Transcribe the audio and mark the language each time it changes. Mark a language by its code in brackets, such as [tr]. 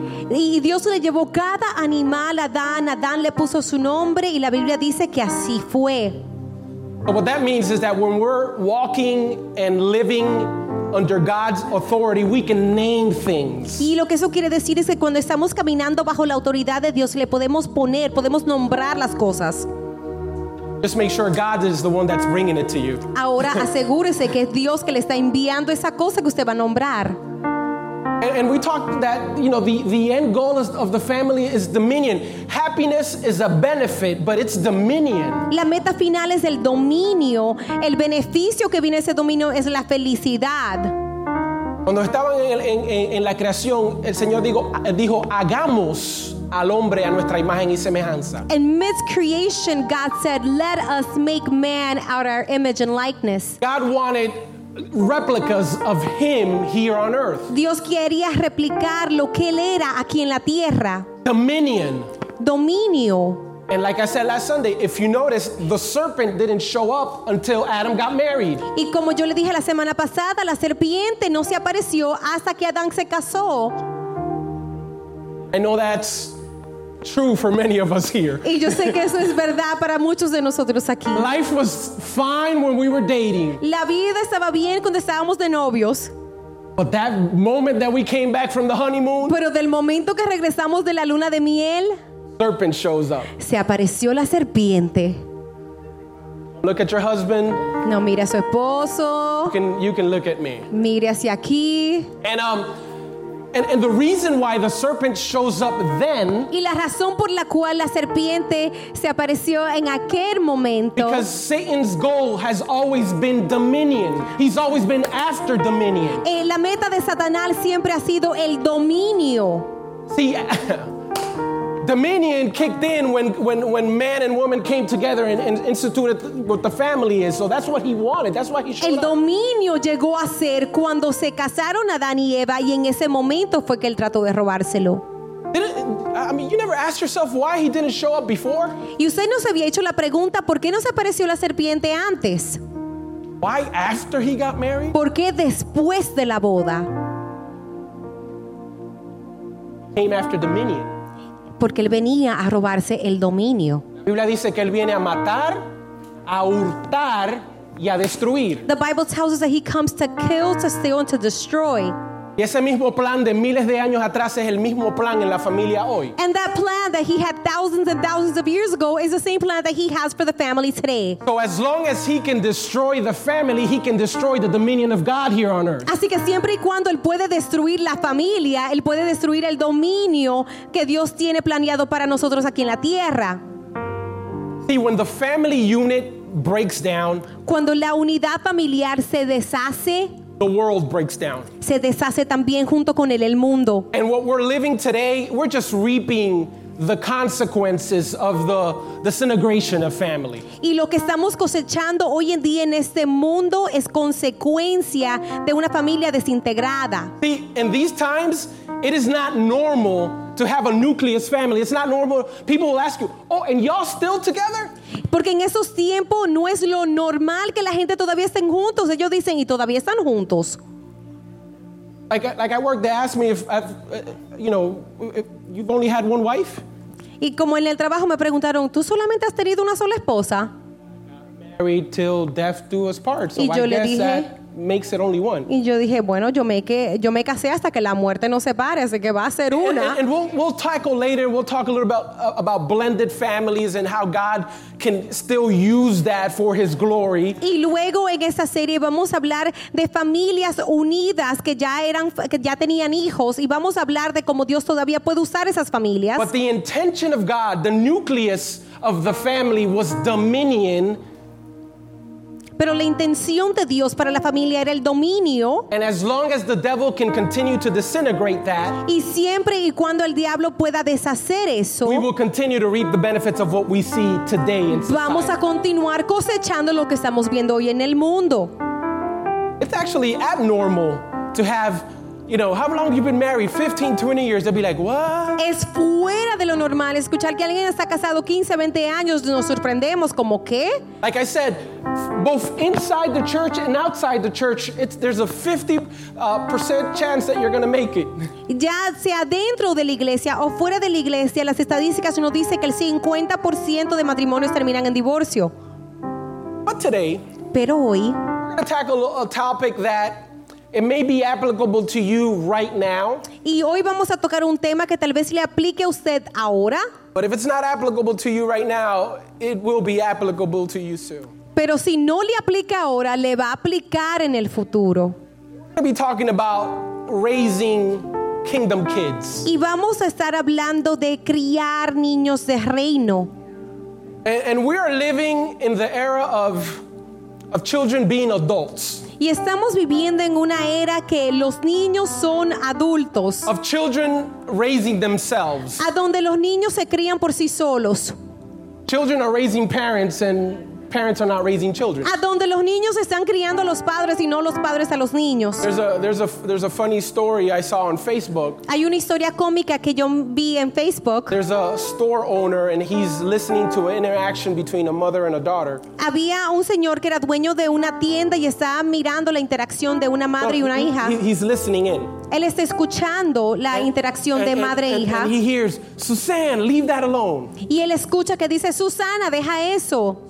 [es] Y Dios le llevó cada animal a Adán. Adán le puso su nombre y la Biblia dice que así fue. [en] But what that means is that when we're walking and living under God's authority, we can name things. [es] Y lo que eso quiere decir es que cuando estamos caminando bajo la autoridad de Dios, le podemos poner, podemos nombrar las cosas. [en] Just make sure God is the one that's bringing it to you. [es] Ahora asegúrese que es Dios que le está enviando esa cosa que usted va a nombrar. [en] And we talked that, you know, the end goal of the family is dominion. Happiness is a benefit, but it's dominion. [es] La meta final es el dominio. El beneficio que viene ese dominio es la felicidad. Cuando estaban en la creación, el Señor dijo, hagamos al hombre a nuestra imagen y semejanza. [en] In mid-creation, God said, let us make man out our image and likeness. God wanted replicas of him here on earth. [es] Dios quería replicar lo que él era aquí en la tierra. [en] Dominion. [es] Dominio. [en] And like I said last Sunday, if you notice, the serpent didn't show up until Adam got married. [es] Y como yo le dije la semana pasada, la serpiente no se apareció hasta que Adán se casó. [en] I know that's true for many of us here. [es] Y yo sé que eso es verdad para muchos de nosotros aquí. [en] Life was fine when we were dating. [es] La vida estaba bien cuando estábamos de novios. [en] But that moment that we came back from the honeymoon. [es] Pero del momento que regresamos de la luna de miel. [en] Serpent shows up. [es] Se apareció la serpiente. [en] Look at your husband. [es] No, mira a su esposo. [en] You can look at me. [es] Mire hacia aquí. [en] And the reason why the serpent shows up then. [es] Y la razón por la cual la serpiente se apareció en aquel momento. [en] Because Satan's goal has always been dominion. He's always been after dominion. [es] La meta de Satanás siempre ha sido el dominio. [en] See. Dominion kicked in when man and woman came together and instituted what the family is. So that's what he wanted. That's why he showed [es] up. El dominio llegó a ser cuando se casaron Adán y Eva, y en ese momento fue que él trató de robárselo. [en] You never asked yourself why he didn't show up before? [es] Y usted no se había hecho la pregunta por qué no se apareció la serpiente antes. [en] Why after he got married? [es] ¿Por qué después de la boda? [en] Came after dominion. [es] Porque él venía a robarse el dominio. La Biblia dice que él viene a matar, a hurtar y a destruir. [en] The Bible tells us that he comes to kill, to steal, and to destroy. [es] Y ese mismo plan de miles de años atrás es el mismo plan en la familia hoy. [en] And that plan that he had thousands and thousands of years ago is the same plan that he has for the family today. So as long as he can destroy the family, he can destroy the dominion of God here on earth. [es] Así que siempre y cuando él puede destruir la familia, él puede destruir el dominio que Dios tiene planeado para nosotros aquí en la tierra. [en] See, when the family unit breaks down, [es] cuando la unidad familiar se deshace, [en] the world breaks down. [es] Se deshace también junto con él el mundo. [en] And what we're living today, we're just reaping the consequences of the disintegration of family. [es] Y lo que estamos cosechando hoy en día en este mundo es consecuencia de una familia desintegrada. [en] See, in these times, it is not normal to have a nucleus family. It's not normal. People will ask you, "Oh, and y'all still together?" [es] Porque en esos tiempos no es lo normal que la gente todavía estén juntos. Ellos dicen, "¿Y todavía están juntos?" [en] Like I work, they ask me if I've, you know, if you've only had one wife. [es] Y como en el trabajo me preguntaron, "¿Tú solamente has tenido una sola esposa?" [en] Married till death do us part. So [es] y yo [en] I le guess dije, that makes it only one. [es] Y yo dije, bueno, yo me casé hasta que la muerte nos separe, así que va a ser una. [en] And we'll tackle later, we'll talk a little about blended families and how God can still use that for his glory. [es] Y luego en esa serie vamos a hablar de familias unidas que ya tenían hijos, y vamos a hablar de cómo Dios todavía puede usar esas familias. [en] But the intention of God, the nucleus of the family was dominion. [es] Pero la intención de Dios para la familia era el dominio. [en] And as long as the devil can continue to disintegrate that, [es] y siempre y cuando el diablo pueda deshacer eso, [en] we will continue to reap the benefits of what we see today in society. [es] Vamos a continuar cosechando lo que estamos viendo hoy en el mundo. [en] It's actually abnormal to have, you know, how long have you been married? 15, 20 years. They'll be like, what? [es] Es fuera de lo normal escuchar que alguien está casado 15, 20 años. Nos sorprendemos como qué. [en] Like I said, both inside the church and outside the church, there's a 50% chance that you're going to make it. [es] Ya sea dentro de la iglesia o fuera de la iglesia, las estadísticas nos dicen que el 50% de matrimonios terminan en divorcio. [en] But today, [es] pero hoy, [en] we're going to tackle a topic that It may be applicable to you right now. [es] Y hoy vamos a tocar un tema que tal vez le aplique a usted ahora. [en] But if it's not applicable to you right now, it will be applicable to you soon. [es] Pero si no le aplica ahora, le va a aplicar en el futuro. [en] We're going to be talking about raising kingdom kids. [es] Y vamos a estar hablando de criar niños de reino. [en] And we are living in the era of children being adults. [es] Y estamos viviendo en una era que los niños son adultos. [en] Of children raising themselves. [es] A donde los niños se crían por sí solos. [en] Children are raising parents and parents are not raising children. [es] A donde los niños están criando a los padres y no los padres a los niños. [en] There's a funny story I saw on Facebook. [es] Hay una historia cómica que yo vi en Facebook. [en] There's a store owner and he's listening to an interaction between a mother and a daughter. [es] Había un señor que era dueño de una tienda y estaba mirando la interacción de una madre y una hija. [en] He's listening in. [es] Él está escuchando la interacción de madre e hija. [en] And he hears, "Susan, leave that alone." [es] Y él escucha que dice, "Susana, deja eso."